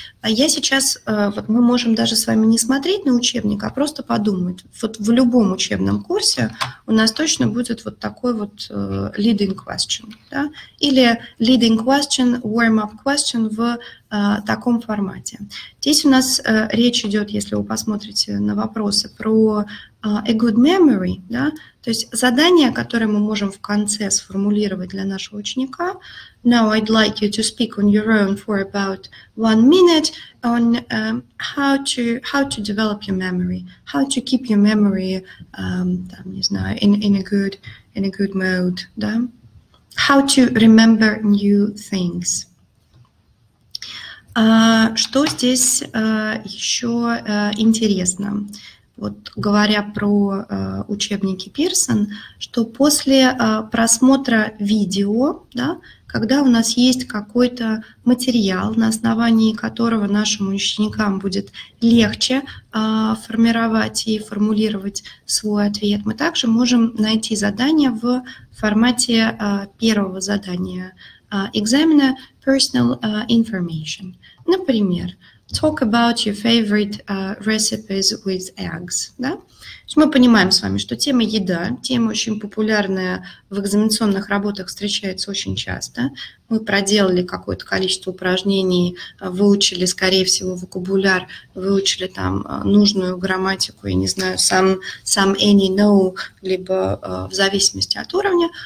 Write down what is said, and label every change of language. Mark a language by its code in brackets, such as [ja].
[ru] Я сейчас, вот мы можем даже с вами не смотреть на учебник, а просто подумать, вот в любом учебном курсе у нас точно будет вот такой вот leading question, да, или leading question, warm-up question в таком формате. Здесь у нас речь идет, если вы посмотрите на вопросы, про a good memory, да, то есть задание, которое мы можем в конце сформулировать для нашего ученика. [en] Now I'd like you to speak on your own for about 1 minute on how to develop your memory, how to keep your memory in a good mode, [ru] да? [en] How to remember new things. [ru] Что здесь еще интересно? Вот говоря про учебники Pearson, что после просмотра видео, да, когда у нас есть какой-то материал, на основании которого нашим ученикам будет легче формировать и формулировать свой ответ, мы также можем найти задание в формате первого задания экзамена «Personal Information». Например, [en] talk about your favorite recipes with eggs. [ru] Да? То есть мы понимаем с вами, что тема еда, тема очень популярная в экзаменационных работах, встречается очень часто. Мы проделали какое-то количество упражнений, выучили, скорее всего, вокабуляр, выучили там нужную грамматику, я не знаю, some any know, либо в зависимости от уровня.